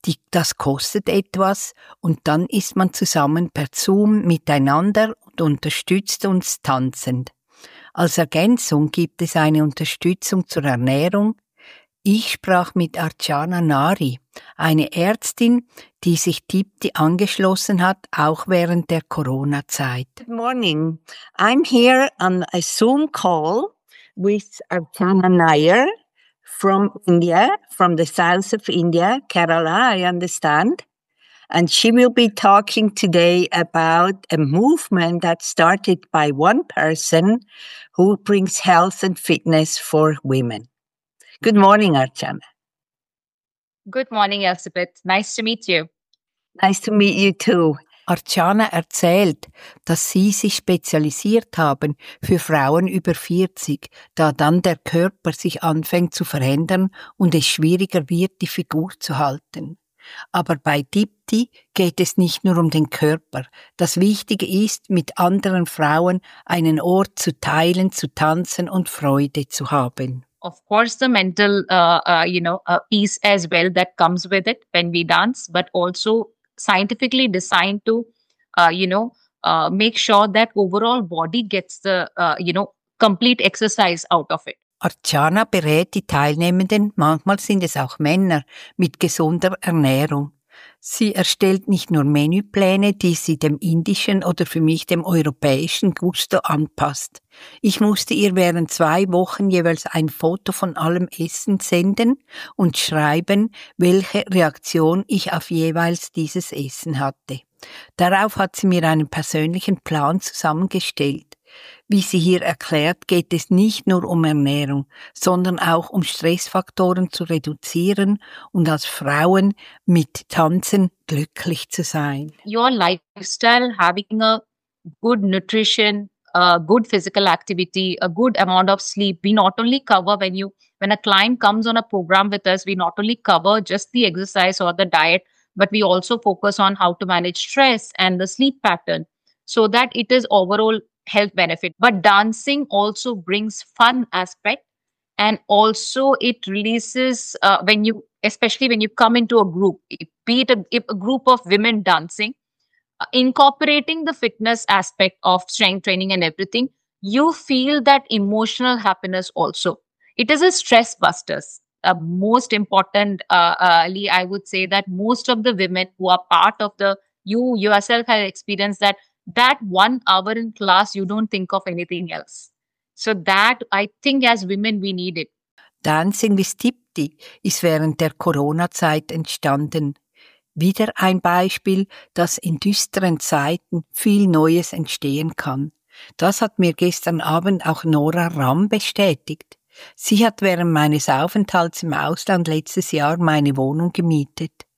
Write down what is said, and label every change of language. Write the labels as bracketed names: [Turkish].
[German] Das kostet etwas und dann ist man zusammen per Zoom miteinander und unterstützt uns tanzend. Als Ergänzung gibt es eine Unterstützung zur Ernährung. Ich sprach mit Archana Nari, eine Ärztin, die sich Dipti angeschlossen hat, auch während der Corona-Zeit. [English] Good morning. I'm here on a Zoom call with Archana Nair from India, from the south of India, Kerala, I understand. And she will be talking today about a movement that started by one person who brings health and fitness for women. Good morning, Archana. Good morning, Elisabeth. Nice to meet you. Nice to meet you too. [German] Archana erzählt, dass sie sich spezialisiert haben für Frauen über 40, da dann der Körper sich anfängt zu verändern und es schwieriger wird, die Figur zu halten. Aber bei Dipti geht es nicht nur um den Körper. Das Wichtige ist, mit anderen Frauen einen Ort zu teilen, zu tanzen und Freude zu haben. [English] Of course, the mental, piece as well that comes with it when we dance, but also scientifically designed to, make sure that overall body gets the, complete exercise out of it. [German] Archana berät die Teilnehmenden, manchmal sind es auch Männer, mit gesunder Ernährung. Sie erstellt nicht nur Menüpläne, die sie dem indischen oder für mich dem europäischen Gusto anpasst. Ich musste ihr während 2 Wochen jeweils ein Foto von allem Essen senden und schreiben, welche Reaktion ich auf jeweils dieses Essen hatte. Darauf hat sie mir einen persönlichen Plan zusammengestellt. Wie sie hier erklärt, geht es nicht nur um Ernährung, sondern auch um Stressfaktoren zu reduzieren und als Frauen mit Tanzen glücklich zu sein. [English] Your lifestyle, having a good nutrition, a good physical activity, a good amount of sleep, we not only cover when a client comes on a program with us, we not only cover just the exercise or the diet, but we also focus on how to manage stress and the sleep pattern, so that it is overall health benefit. But dancing also brings fun aspect, and also it releases when you come into a group, be it a group of women dancing, incorporating the fitness aspect of strength training and everything, you feel that emotional happiness also. It is a stress busters. Most important, Ali, I would say that most of the women who are part of the, you yourself have experienced that. That 1 hour in class, you don't think of anything else. So that, I think, as women, we need it. [German] Dancing with Dipti ist während der Corona-Zeit entstanden. Wieder ein Beispiel, dass in düsteren Zeiten viel Neues entstehen kann. Das hat mir gestern Abend auch Nora Ram bestätigt. Sie hat während meines Aufenthalts im Ausland letztes Jahr meine Wohnung gemietet.